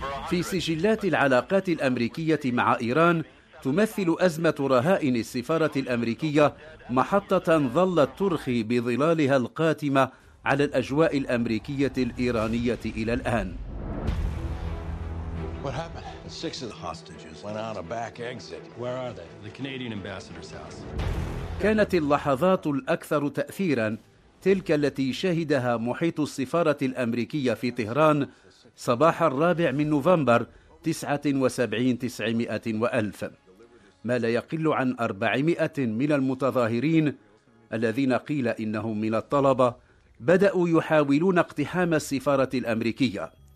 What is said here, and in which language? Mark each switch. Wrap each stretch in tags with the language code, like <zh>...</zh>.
<ar>في سجلات العلاقات الأمريكية مع إيران تمثل أزمة رهائن السفارة الأمريكية محطة ظلت ترخي بظلالها القاتمة على الأجواء الأمريكية الإيرانية إلى الآن.</ar> <en>What happened? Six of the hostages went out a back exit. Where are they? The Canadian ambassador's house.</en> <ar>كانت اللحظات الأكثر تأثيراً تلك التي شهدها محيط السفارة الأمريكية في طهران صباح الرابع من نوفمبر 79 900 و1000، ما لا يقل عن 400 من المتظاهرين الذين قيل إنهم من الطلبة بدأوا يحاولون اقتحام السفارة الأمريكية.</ar>